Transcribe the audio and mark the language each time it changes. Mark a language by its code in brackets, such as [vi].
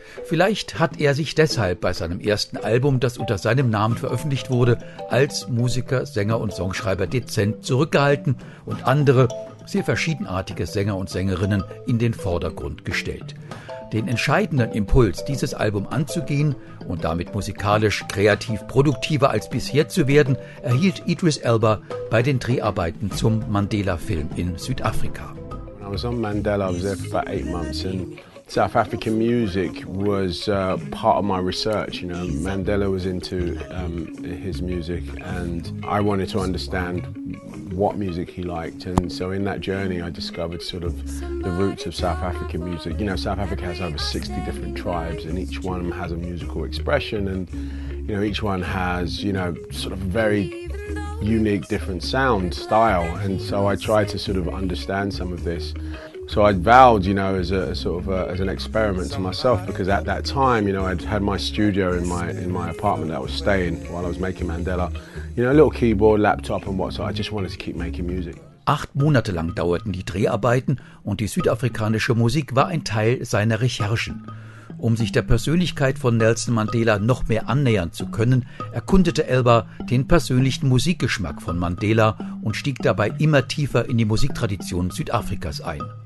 [de] Vielleicht hat er sich deshalb bei seinem ersten Album, das unter seinem Namen veröffentlicht wurde, als Musiker, Sänger und Songschreiber dezent zurückgehalten und andere, sehr verschiedenartige Sänger und Sängerinnen in den Vordergrund gestellt. Den entscheidenden Impuls, dieses Album anzugehen und damit musikalisch kreativ produktiver als bisher zu werden, erhielt Idris Elba bei den Dreharbeiten zum Mandela-Film in Südafrika. [en] I was on Mandela, I was there for about 8 months and South African music was part of my research. You know, Mandela was into his music and I wanted to understand what music he liked. And so in that journey, I discovered sort of the roots of South African music. You know, South Africa has over 60 different tribes and each one has a musical expression. And, you know, each one has, you know, sort of very unique different sound style. And so I tried to sort of understand some of this. So I'd vowed, you know, as a sort of a, as an experiment to myself, because at that time, you know, I'd had my studio in my apartment that I was staying while I was making Mandela. You know, a little keyboard, laptop and what, so I just wanted to keep making music. [de] 8 Monate lang dauerten die Dreharbeiten und die südafrikanische Musik war ein Teil seiner Recherchen. Um sich der Persönlichkeit von Nelson Mandela noch mehr annähern zu können, erkundete Elba den persönlichen Musikgeschmack von Mandela und stieg dabei immer tiefer in die Musiktradition Südafrikas ein.